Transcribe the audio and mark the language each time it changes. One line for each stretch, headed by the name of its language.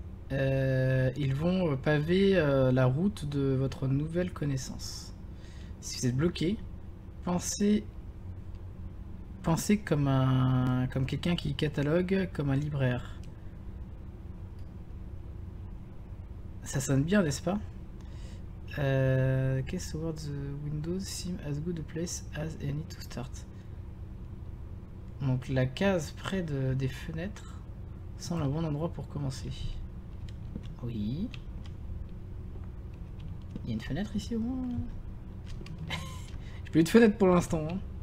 French: Ils vont paver la route de votre nouvelle connaissance. Si vous êtes bloqué, pensez comme quelqu'un qui catalogue, comme un libraire. Ça sonne bien, n'est-ce pas?
English: Case over the windows seem as good a place as any to start.
French: Donc la case près des fenêtres semble un bon endroit pour commencer. Oui. Il y a une fenêtre ici au moins. J'ai plus de fenêtre pour l'instant. Hein.